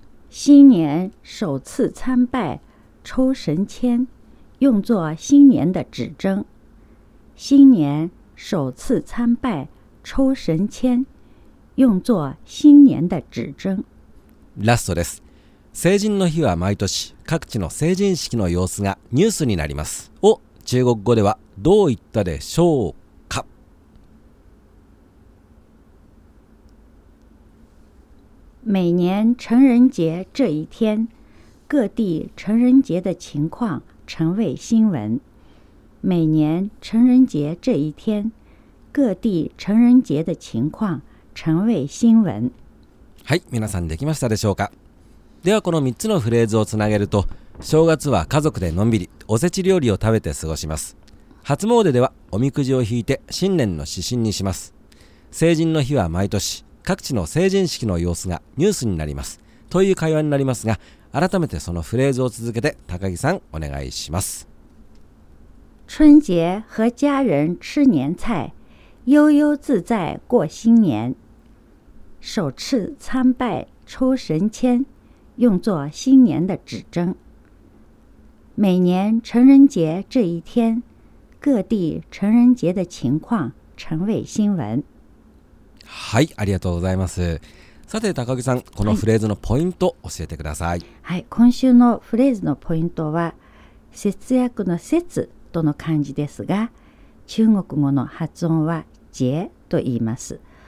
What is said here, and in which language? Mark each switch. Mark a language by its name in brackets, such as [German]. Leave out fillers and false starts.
[Chinese] 新年首次参拜抽神签，用作新年的指征。新年首次参拜抽神签，用作新年的指征。 [Japanese] ラストです。成人の日は毎年各地の成人式の様子がニュースになりますを中国語ではどう言ったでしょうか？ [Chinese] 每年成人节这一天，各地成人节的情况成为新闻。每年成人节这一天，各地成人节的情况成为新闻。 [Japanese] はい、皆さんできましたでしょうか？ではこの3つのフレーズをつなげると、正月は家族でのんびりおせち料理を食べて過ごします、初詣ではおみくじを引いて新年の指針にします、成人の日は毎年各地の成人式の様子がニュースになりますという会話になりますが、改めてそのフレーズを続けて高木さんお願いします。 [Chinese] 春節和家人吃年菜，悠悠自在过新年。首次参拜抽神签，用作新年的指征。每年成人节这一天，各地成人节的情况成为新闻。 [Japanese] はい、ありがとうございます。さて、高木さん、このフレーズのポイントを教えてください。はい、今週のフレーズのポイントは、節約の節との漢字ですが、中国語の発音は節と言います。